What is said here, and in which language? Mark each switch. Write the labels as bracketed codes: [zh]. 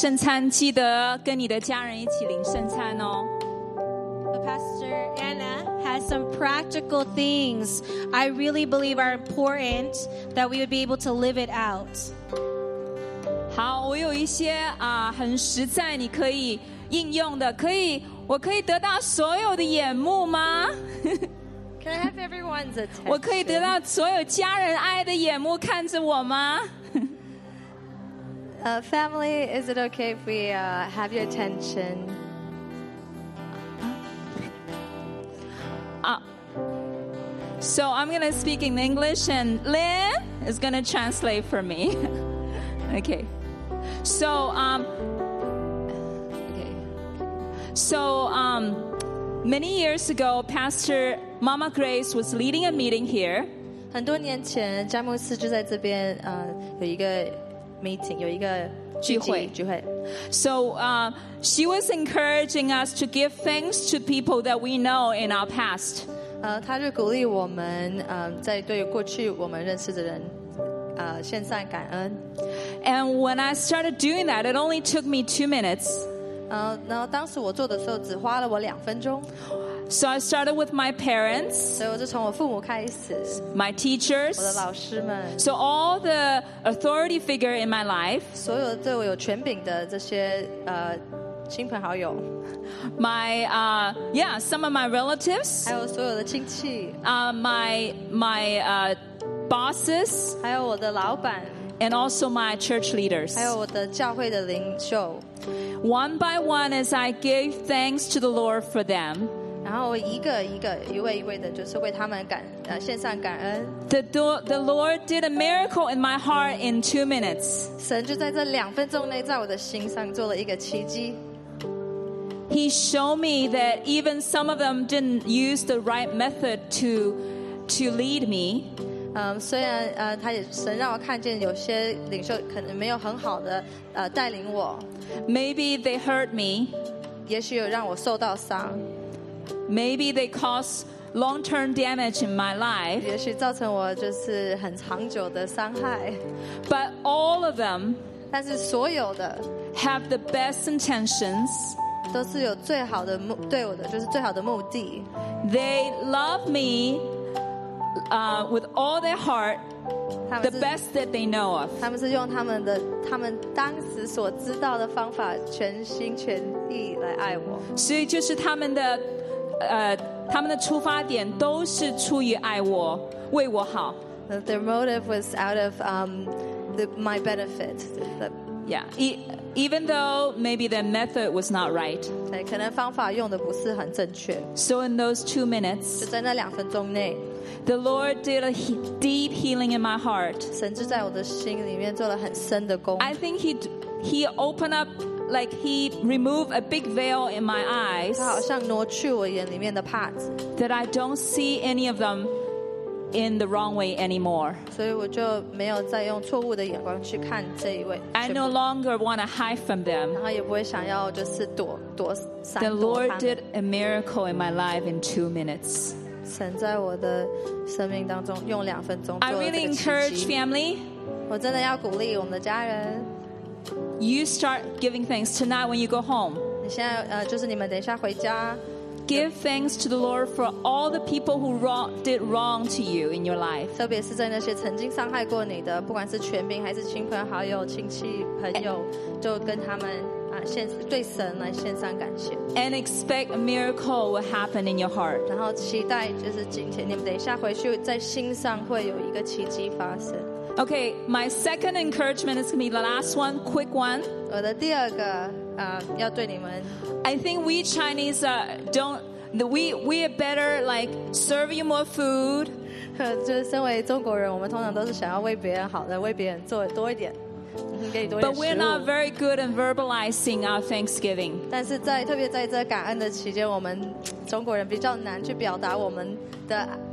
[zh] 所以如果你还没有领圣餐，记得跟你的家人一起领圣餐哦。 [en] Pastor Anna has some practical things I really believe are important that we would be able to live it out. [zh] 好，我有一些很实在你可以应用的，可以，我可以得到所有的眼目吗？ [en] Can I have everyone's attention? [zh] 我可以得到所有家人爱的眼目看着我吗？ [en] Family, is it okay if we have your attention? So I'm going to speak in English and Lynn is going to translate for me. Okay. So many years ago, Pastor Mama Grace was leading a meeting here. [zh] 很多年前詹姆斯就在这边有一个 meeting，有一个聚会。 [en] So she was encouraging us to give thanks to people that we know in our past. [zh] 他就鼓励我们在对过去我们认识的人献上感恩。 [en] And when I started doing that, it only took me 2 minutes. [zh] 然后当时我做的时候只花了我2分钟。 [en] So I started with my parents. [zh] 所以我就从我父母开始。 [en] My teachers. [zh] 我的老师们。 [en] So all the authority figure in my life. [zh] 所有对我有权柄的这些亲朋好友。 [en] My, some of my relatives. [zh] 还有所有的亲戚。 [en] My bosses. [zh] 还有我的老板。 [en] And also my church leaders. [zh] 还有我的教会的领袖。 [en] One by one, as I gave thanks to the Lord for them. [zh] 然后一个一个一位一位的就是为他们献上感恩 [en] the Lord did a miracle in my heart in 2 minutes [zh] 神就在这两分钟内在我的心上做了一个奇迹 [en] He showed me that even some of them didn't use the right method to lead me [zh] 虽然他也神让我看见有些领袖可能没有很好的带领我 [en] Maybe they hurt me [zh] 也许有让我受到伤 [en] Maybe they cause long-term damage in my life. [zh] 也许造成我就是很长久的伤害。 [en] But all of them, [zh] 但是所有的 [en] have the best intentions. [zh] 都是有最好的对我的就是最好的目的。 [en] They love me, with all their heart, the best that they know of. [zh] 他们是用他们当时所知道的方法全心全意来爱我。所以就是他们的。他们的出发点都是出于爱我，为我好。 [en] Their motive was out of my benefit. Yeah, even though maybe their method was not right. [zh] 对，可能方法用的不是很正确。 [en] So in those 2 minutes, [zh] 就在那两分钟内 [en] the Lord did a deep healing in my heart. [zh] 神就在我的心里面做了很深的工。 [en] I think he opened up. Like he removed a big veil in my eyes. [zh] 他好像挪去我眼里面的帕子。 [en] That I don't see any of them in the wrong way anymore. [zh] 所以我就没有再用错误的眼光去看这一位。 [en] I no longer want to hide from them. [zh] 然后也不会想要就是躲闪躲他们。 [en] The Lord did a miracle in my life in 2 minutes. [zh] 神在我的生命当中用两分钟做了这个奇迹。 [en] I really encourage family. [zh] 我真的要鼓励我们的家人。 [en] You start giving thanks tonight when you go home. [zh] 现在就是你们等一下回家。 [en] Give thanks to the Lord for all the people who did wrong to you in your life. [zh] 特别是在那些曾经伤害过你的，不管是权柄还是亲朋好友、亲戚朋友，就跟他们对神来献上感谢。 [en] And expect a miracle will happen in your heart. [zh] 然后期待就是今天你们等一下回去，在心上会有一个奇迹发生。 [en] Okay, my second encouragement is going to be the last one, quick one. [zh] 我的第二个要对你们。 [en] I think we Chinese we are better like serve you more food. [zh] 就是身为中国人，我们通常都是想要为别人好的，为别人做多一点，给你多一点食物。 [en] But we're not very good in verbalizing our Thanksgiving. [zh] 但是在特别在这感恩的期间，我们中国人比较难去表达我们的。